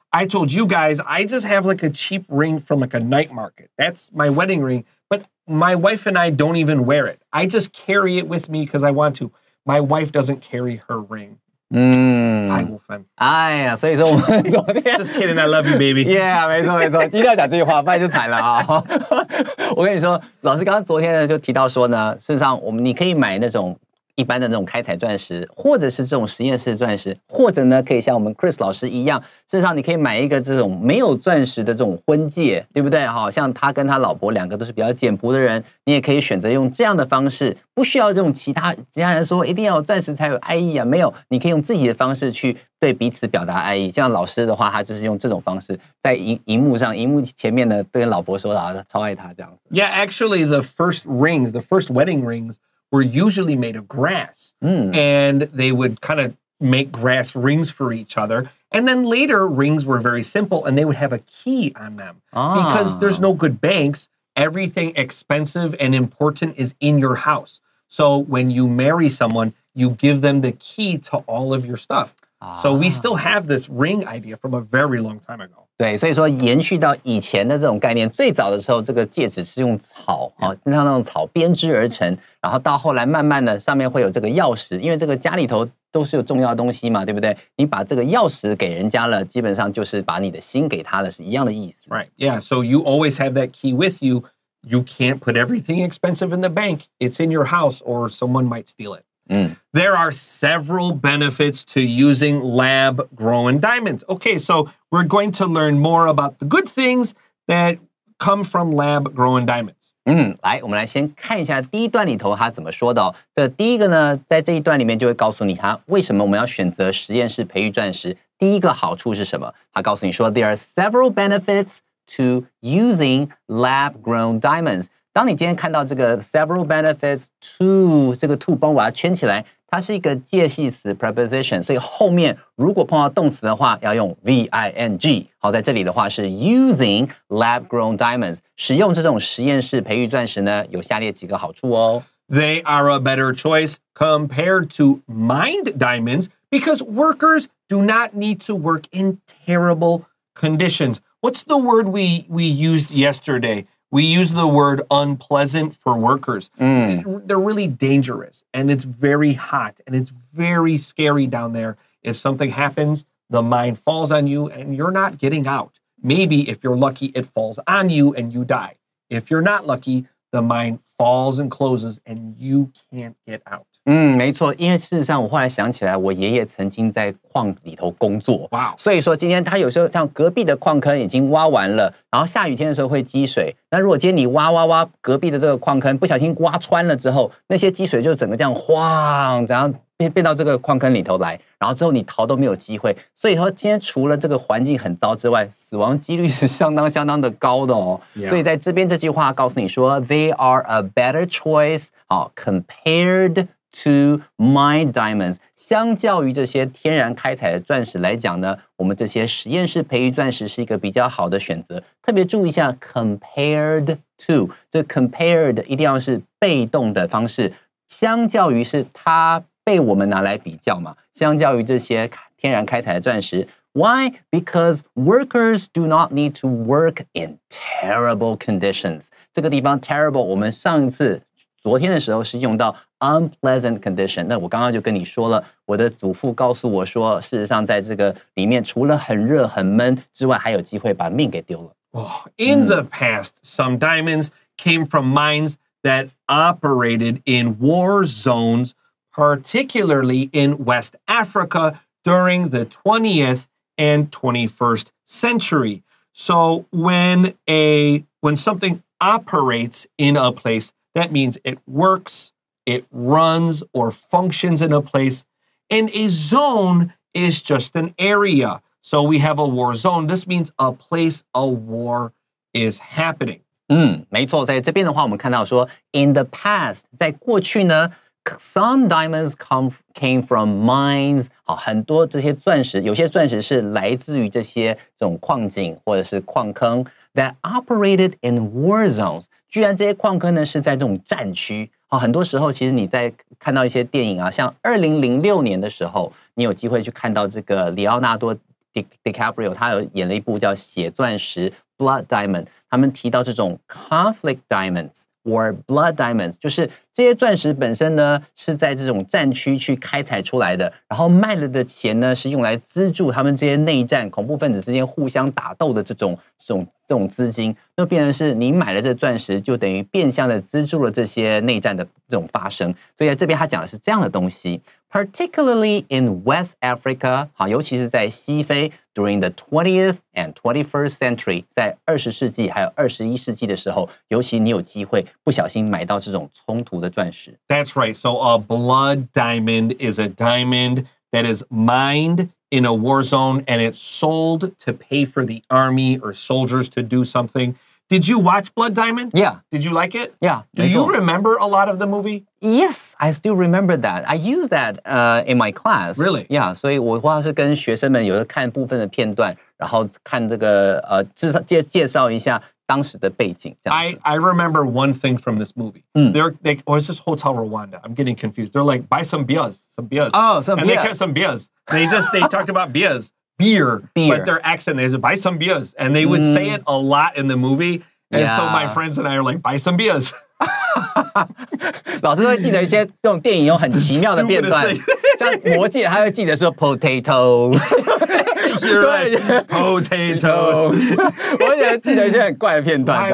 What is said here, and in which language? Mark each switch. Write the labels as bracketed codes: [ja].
[en] I told you guys, I just have like a cheap ring from like a night market. That's my wedding ring, but my wife and I don't even wear it. I just carry it with me because I want to. My wife doesn't carry her ring. [zh] 太过分。哎呀，所以说我们昨天 [en] Just kidding, I love you, baby. [zh] Yeah, 没错没错，一定要讲这句话，不然就惨了啊、哦！我跟你说，老师刚刚昨天呢就提到说呢，事实上我们你可以买那种一般的那种开采钻石，或者是这种实验室钻石，或者呢可以像我们 Chris 老师一样，事实上你可以买一个这种没有钻石的这种婚戒，对不对？好像他跟他老婆两个都是比较简朴的人，你也可以选择用这样的方式，不需要这种其他人说一定要有钻石才有爱意啊，没有，你可以用自己的方式去对彼此表达爱意。像老师的话，他就是用这种方式在荧幕上，荧幕前面呢跟老婆说啊，超爱他这样。 [en] Yeah, actually, the first rings, the first wedding rings. were usually made of grass, and they would kind of make grass rings for each other. And then later, rings were very simple, and they would have a key on them. Because there's no good banks, everything expensive and important is in your house. So when you marry someone, you give them the key to all of your stuff. So we still have this ring idea from a very long time ago. [zh] 对，所以说延续到以前的这种概念，最早的时候，这个戒指是用草啊，经常那种草编织而成，然后到后来慢慢的上面会有这个钥匙，因为这个家里头都是有重要的东西嘛，对不对？你把这个钥匙给人家了，基本上就是把你的心给他了，是一样的意思。 [en] Right, yeah. So you always have that key with you. You can't put everything expensive in the bank. It's in your house, or someone might steal it. There are several benefits to using lab-grown diamonds. Okay, so we're going to learn more about the good things that come from lab-grown diamonds. [zh] 来，我们来先看一下第一段里头他怎么说的。这第一个呢，在这一段里面就会告诉你他为什么我们要选择实验室培育钻石。第一个好处是什么？他告诉你说 ， [en] There are several benefits to using lab-grown diamonds。 [zh] 当你今天看到这个 [en] several benefits to [zh] 这个 to 帮我把它圈起来，它是一个介系词 preposition， 所以后面如果碰到动词的话，要用 ving。好，在这里的话是 [en] using lab-grown diamonds， [zh] 使用这种实验室培育钻石呢，有下列几个好处哦。 [en] They are a better choice compared to mined diamonds because workers do not need to work in terrible conditions. What's the word we used yesterday? We use the word unpleasant for workers. They're really dangerous, and it's very hot, and it's very scary down there. If something happens, the mine falls on you, and you're not getting out. Maybe if you're lucky, it falls on you, and you die. If you're not lucky, the mine falls and closes, and you can't get out. [zh] 没错，因为事实上我后来想起来，我爷爷曾经在矿里头工作。哇、wow. ！所以说今天他有时候像隔壁的矿坑已经挖完了，然后下雨天的时候会积水。那如果今天你挖挖挖隔壁的这个矿坑，不小心挖穿了之后，那些积水就整个这样晃，然后变到这个矿坑里头来，然后之后你逃都没有机会。所以说今天除了这个环境很糟之外，死亡几率是相当相当的高的哦。 [en] Yeah. [zh] 所以在这边这句话告诉你说 ， [en] They are a better choice， [zh] 好 ，compared。 [en] To mine diamonds, [zh] 相较于这些天然开采的钻石来讲呢，我们这些实验室培育钻石是一个比较好的选择。特别注意一下 [en] compared to, [zh] 这 compared 一定要是被动的方式，相较于是它被我们拿来比较嘛，相较于这些天然开采的钻石。 [en] Why? Because workers do not need to work in terrible conditions. [zh] 这个地方 terrible, 我们上一次昨天的时候是用到 unpleasant condition。那我刚刚就跟你说了，我的祖父告诉我说，事实上在这个里面除了很热很闷之外，还有机会把命给丢了。 [en] Oh, in the past, some diamonds came from mines that operated in war zones, particularly in West Africa during the 20th and 21st century. So when something operates in a placeThat means it works, it runs, or functions in a place. And a zone is just an area. So we have a war zone. This means a place a war is happening. [zh] 没错，在这边的话，我们看到说 ， [en] in the past， [zh] 在过去呢 ， [en] some diamonds came from mines. [zh] 好，很多这些钻石，有些钻石是来自于这些这种矿井或者是矿坑。 [en] That operated in war zones. [zh] 居然这些矿坑呢是在这种战区、哦、很多时候其实你在看到一些电影啊，像2006年的时候，你有机会去看到这个里奥纳多 DiCaprio 他有演了一部叫《血钻石》（Blood Diamond）， 他们提到这种 [en] conflict diamonds or blood diamonds， [zh] 就是这些钻石本身呢是在这种战区去开采出来的，然后卖了的钱呢是用来资助他们这些内战恐怖分子之间互相打斗的这种资金，那变成是你买了这钻石，就等于变相的资助了这些内战的这种发生。所以在这边他讲的是这样的东西 ， [en] particularly in West Africa， [zh] 好，尤其是在西非 ， [en] during the 20th and 21st century， [zh] 在二十世纪还有二十一世纪的时候，尤其你有机会不小心买到这种冲突的钻石。 [en] That's right. So a blood diamond is a diamond that is mined. In a war zone, and it's sold to pay for the army or soldiers to do something. Did you watch Blood Diamond? Yeah. Did you like it? Yeah. Do you remember a lot of the movie? Yes, I still remember that. I use that in my class. Really? Yeah. [zh] 所以我话是跟学生们有的看部分的片段，然后看这个介绍一下当时的背景。 [en] I remember one thing from this movie. Is this Hotel Rwanda? I'm getting confused. They're like, buy some beers. Oh, some beers. And they kept some beers. They talked about beers. Beer. But their accent, they said, buy some beers. And they would say it a lot in the movie. And so my friends and I are like, buy some beers. [zh] 老师会记得一些这种电影有很奇妙的片段。像魔戒他会记得说 potato. [en] You're right. Potatoes. [zh] 我也记得一些很怪的片段。